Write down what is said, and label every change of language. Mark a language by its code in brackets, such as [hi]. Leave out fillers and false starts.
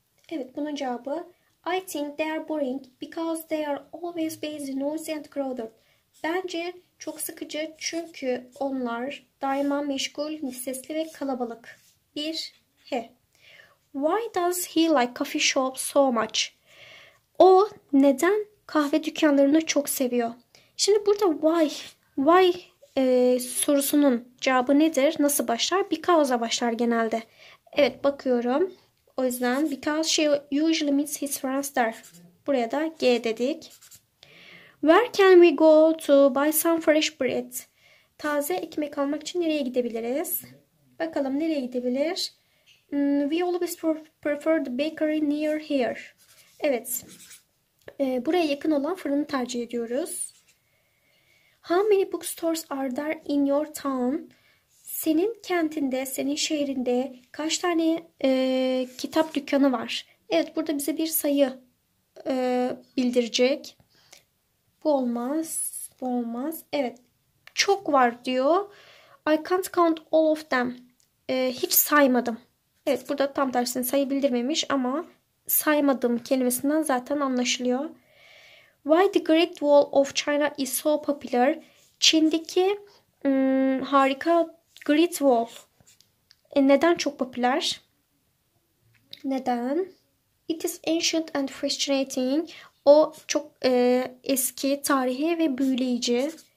[tr] Evet, bunun cevabı [en] I think they are boring because they are always busy, noisy and crowded. [tr] Bence çok sıkıcı çünkü onlar daima meşgul, sesli ve kalabalık. [en] Bir he. Why does he like coffee shops so much? [tr] O neden kahve dükkanlarını çok seviyor? Şimdi burada why sorusunun cevabı nedir? Nasıl başlar? Because'a başlar genelde. Evet, bakıyorum. O yüzden [en] because she usually meets his friends there. [tr] Buraya da G dedik. [en] Where can we go to buy some fresh bread? [tr] Taze ekmek almak için nereye gidebiliriz? Bakalım nereye gidebilir? [en] We always prefer the bakery near here. Evet. [tr] Buraya yakın olan fırını tercih ediyoruz. [en] How many bookstores are there in your town? [tr] Senin kentinde, senin şehrinde kaç tane kitap dükkanı var? Evet, burada bize bir sayı bildirecek. Bu olmaz, bu olmaz. Evet, çok var diyor. [en] I can't count all of them. [tr] Hiç saymadım. Evet, burada tam tersini sayı bildirmemiş ama saymadım kelimesinden zaten anlaşılıyor. [en] Why the Great Wall of China is so popular? [tr] Çin'deki harika Great Wall. Neden çok popüler? Neden? [en] It is ancient and fascinating. [tr] O çok eski, tarihi ve büyüleyici.